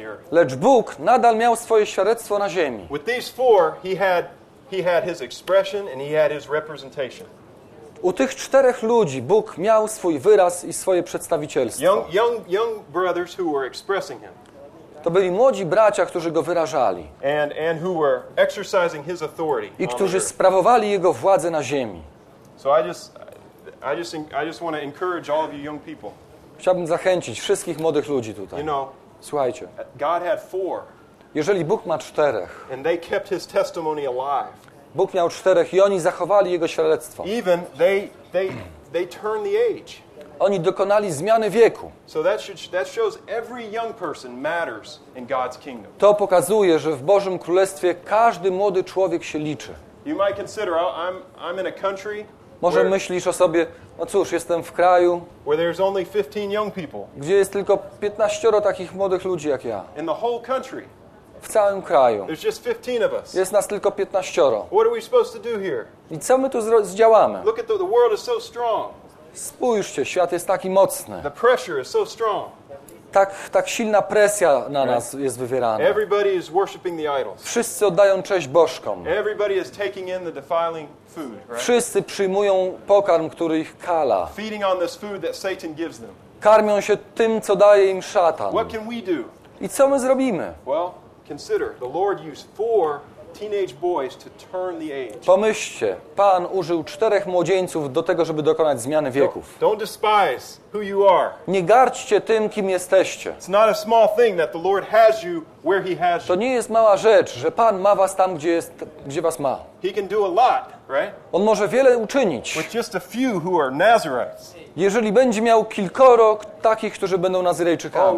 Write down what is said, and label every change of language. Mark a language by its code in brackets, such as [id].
[pl] Lecz Bóg nadal miał swoje świadectwo na ziemi. Z tymi czterech miał swoją ekspresję i swoją reprezentację. U tych czterech ludzi Bóg miał swój wyraz i swoje przedstawicielstwo. [en] Young brothers who were expressing him. [pl] To byli młodzi bracia, którzy go wyrażali. [en] And who were exercising his authority. [pl] I którzy sprawowali jego władzę na ziemi. [en] So I just want to encourage all of you young people. [pl] Chciałbym zachęcić wszystkich młodych ludzi tutaj. [en] You know, [pl] słuchajcie. [en] God had four. [pl] Jeżeli Bóg ma czterech. [en] And they kept his testimony alive. [pl] Bóg miał czterech i oni zachowali jego świadectwo. [en] Even they turn the age. [pl] Oni dokonali zmiany wieku. [en] So that shows every young person matters in God's kingdom. [pl] To pokazuje, że w Bożym Królestwie każdy młody człowiek się liczy. [en] You might consider, I'm in a country. [pl] Może [en] where, [pl] myślisz o sobie, no cóż, jestem w kraju, [en] where there's only 15 young people. [pl] Gdzie jest tylko 15 takich młodych ludzi jak ja. [en] In the whole country. [pl] W całym kraju. [en] There's just 15 of us. [pl] Jest nas tylko 15. [en] What are we supposed to do here? [pl] I co my tu zdziałamy? [en] Look at the world is so strong. [pl] Spójrzcie, świat jest taki mocny. [en] The pressure is so strong. [pl] Tak silna presja na nas jest wywierana. [en] Everybody is worshiping the idols. [pl] Wszyscy oddają cześć bożkom. [en] Everybody is taking in the defiling food, right? [pl] Wszyscy przyjmują pokarm, który ich kala. [en] Feeding on this food that Satan gives them. [pl] Karmią się tym, co daje im szatan. [en] What can we do? [pl] I co my zrobimy? [en] Well, consider the Lord used four teenage boys to turn the age. [pl] Pomyślcie, Pan użył czterech młodzieńców do tego, żeby dokonać zmiany wieków. [en] Don't despise who you are. [pl] Nie gardźcie tym, kim jesteście. [en] It's not a small thing that the Lord has you where he has you. [pl] To nie jest mała rzecz, że Pan ma was tam, gdzie was ma. [en] He can do a lot, right? [pl] On może wiele uczynić. [en] With just a few who are Nazarites. [pl] Jeżeli będzie miał kilkoro takich, którzy będą Nazyrejczykami.